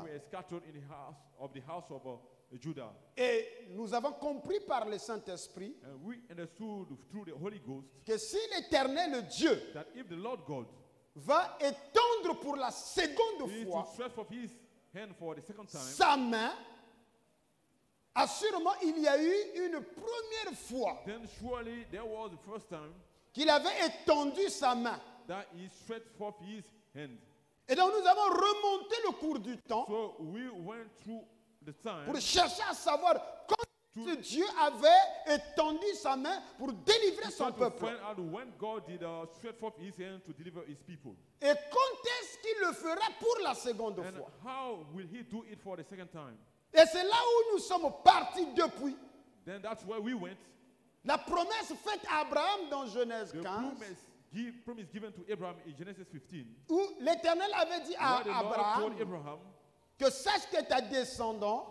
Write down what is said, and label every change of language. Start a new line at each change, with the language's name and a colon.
English: And we were scattered in the house of the house of Judah.
French: Et nous avons compris par le Saint-Esprit que si l'Éternel Dieu
English: that if the Lord God
French: va étendre pour la seconde fois
English: to his hand for the second time,
French: sa main, assurément il y a eu une première fois
English: then surely there was the first time
French: qu'il avait étendu sa main.
English: That he stretched forth his hand.
French: Et donc nous avons remonté le cours du temps
English: so we went through the time
French: pour chercher à savoir quand Dieu avait étendu sa main pour délivrer son peuple.
English: When God did stretch forth his hand to deliver his people.
French: Et quand est-ce qu'il le fera pour la seconde
English: and
French: fois?
English: How will he do it for the second time?
French: Et c'est là où nous sommes partis depuis.
English: Then that's where we went.
French: La promesse faite à Abraham dans Genèse 15.
English: Promise given to Abraham in Genesis 15.
French: Où l'Éternel avait dit à Abraham, Que sache que ta descendant